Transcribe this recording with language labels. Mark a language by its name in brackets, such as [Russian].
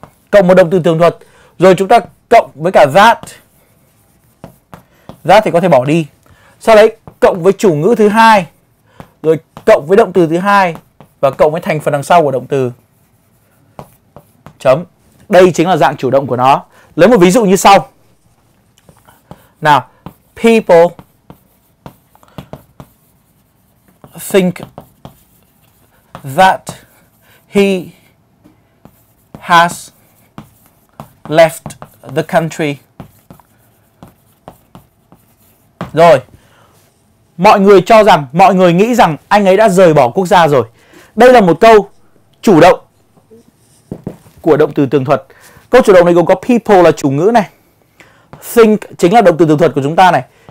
[Vietnamese] Cộng một động từ tường thuật. Rồi chúng ta cộng với cả that. That thì có thể bỏ đi. Sau đấy cộng với chủ ngữ thứ hai. Rồi cộng với động từ thứ hai. Và cộng với thành phần đằng sau của động từ. Chấm. Đây chính là dạng chủ động của nó. Lấy một ví dụ như sau. Nào. [English] People think that he has left the country. [Vietnamese] Rồi. Mọi người cho rằng, mọi người nghĩ rằng anh ấy đã rời bỏ quốc gia rồi. Đây là một câu chủ động của động từ tường thuật. Câu chủ động này gồm có people là chủ ngữ này. Think chính là động từ tường thuật của chúng ta này.